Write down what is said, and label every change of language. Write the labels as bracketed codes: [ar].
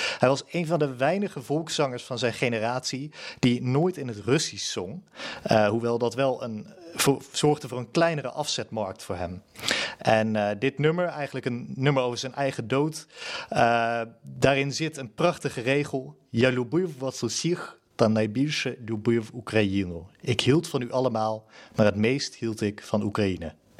[nl] Hij was een van de weinige volkszangers van zijn generatie die nooit in het Russisch zong. Hoewel dat wel een zorgde voor een kleinere afzetmarkt voor hem. En dit nummer, eigenlijk een nummer over zijn eigen dood, daarin zit een prachtige regel. [uk] Я любив вас усіх, та найбільше любив Україну. [nl] Ik hield van u allemaal, maar het meest hield ik van Oekraïne.